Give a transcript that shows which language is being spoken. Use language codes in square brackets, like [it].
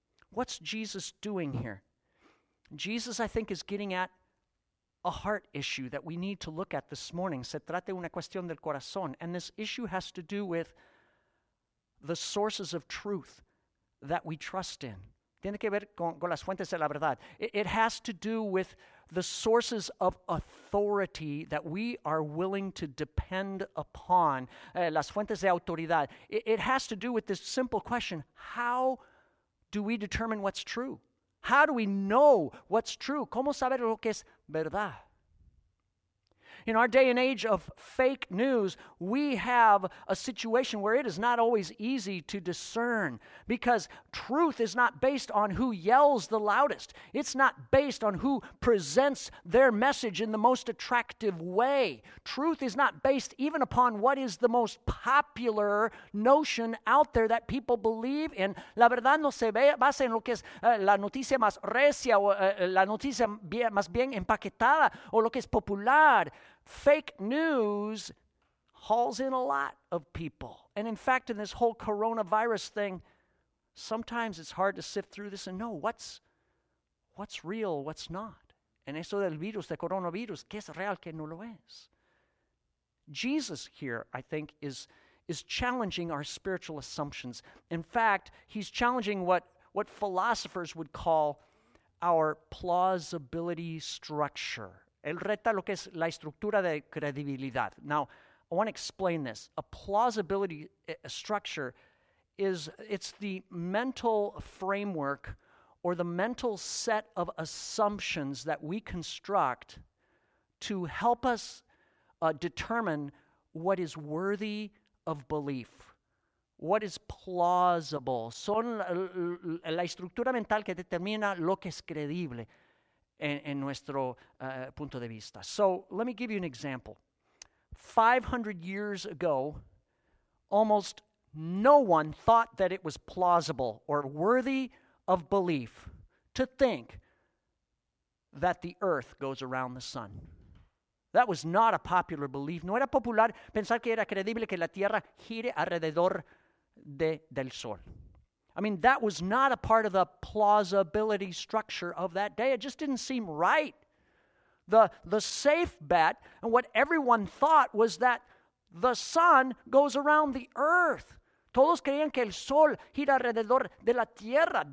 [en] What's Jesus doing here? Jesus, I think, is getting at a heart issue that we need to look at this morning. [es] Se trata de una cuestión del corazón. [en] And this issue has to do with the sources of truth that we trust in. [es] Tiene que ver con las fuentes de la verdad. [en] It has to do with the sources of authority that we are willing to depend upon. [es] Las fuentes de autoridad. [en] It has to do with this simple question, how do we determine what's true? How do we know what's true? [es] ¿Cómo saber lo que es verdad? [en] In our day and age of fake news, we have a situation where it is not always easy to discern because truth is not based on who yells the loudest. It's not based on who presents their message in the most attractive way. Truth is not based even upon what is the most popular notion out there that people believe in. [es] La verdad no se basa en lo que es la noticia más recia o la noticia más bien empaquetada o lo que es popular. [en] Fake news hauls in a lot of people. And in fact, in this whole coronavirus thing, sometimes it's hard to sift through this and know what's real, what's not. [es] En eso del virus, del coronavirus, ¿qué es real, qué no lo es? [en] Jesus here, I think, is challenging our spiritual assumptions. In fact, he's challenging what philosophers would call our plausibility structure. [es] El reta lo que es la estructura de credibilidad. [en] Now, I want to explain this. A plausibility structure is the mental framework or the mental set of assumptions that we construct to help us determine what is worthy of belief. What is plausible? [es] Son la estructura mental que determina lo que es creíble. En nuestro punto de vista. [en] So, let me give you an example. 500 years ago, almost no one thought that it was plausible or worthy of belief to think that the earth goes around the sun. That was not a popular belief. [es] No era popular pensar que era creíble que la tierra gire alrededor del sol. [en] I mean, that was not a part of the plausibility structure of that day. It just didn't seem right. The safe bet and what everyone thought was that the sun goes around the earth. [es] Todos creían que el sol gira alrededor de la tierra.